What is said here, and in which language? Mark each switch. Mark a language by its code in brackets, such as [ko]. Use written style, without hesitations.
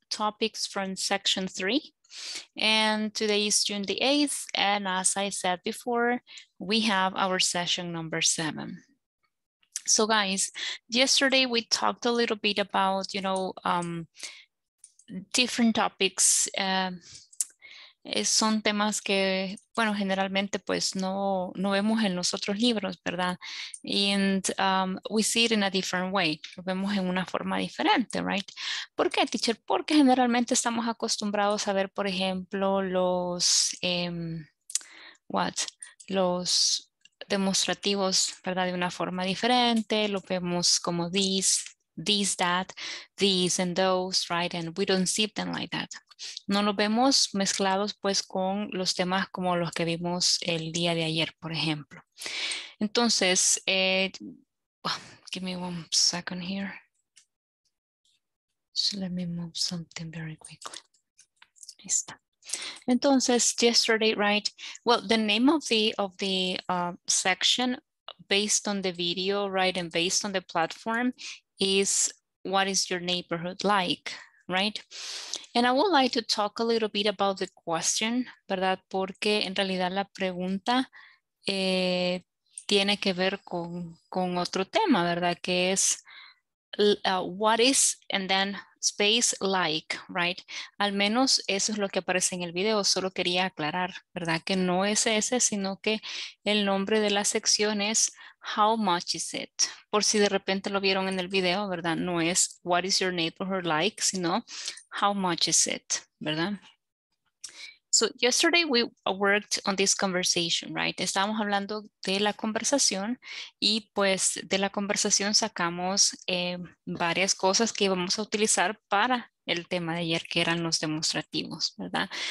[en] Topics from section 3. And today is June the 8th. And as I said before, we have our session number 7. So guys, yesterday we talked a little bit about, you know, different topics. [es] Son temas que, bueno, generalmente pues no vemos en los otros libros, ¿verdad? [en] And we see it in a different way. [es] Lo vemos en una forma diferente, [en] right? [es] ¿Por qué, teacher? Porque generalmente estamos acostumbrados a ver, por ejemplo, los, [en] what? [es] Los demostrativos, ¿verdad? De una forma diferente. Lo vemos como [en] these, that, these and those, right? And we don't see them like that. [es] No lo vemos mezclados pues con los temas como los que vimos el día de ayer, por ejemplo. Entonces, [en] give me one second here. So let me move something very quickly. [es] Ahí está. Entonces, [en] yesterday, right? Well, the name of the section based on the video, right? And based on the platform is what is your neighborhood like, right? And I would like to talk a little bit about the question, [es] ¿verdad? Porque en realidad la pregunta tiene que ver con otro tema, ¿verdad? Que es [en] what is and then space like, right? [es] Al menos eso es lo que aparece en el video. Solo quería aclarar, ¿verdad? Que no es ese, sino que el nombre de la sección es [en] how much is it? [es] Por si de repente lo vieron en el video, ¿verdad? No es [en] what is your neighborhood like, [es] sino [en] how much is it, [es] ¿verdad? [en] So yesterday we worked on this conversation, right? [es] Estábamos hablando de la conversación y pues de la conversación sacamos varias cosas que íbamos a utilizar para el tema de ayer, que eran los demostrativos, ¿verdad?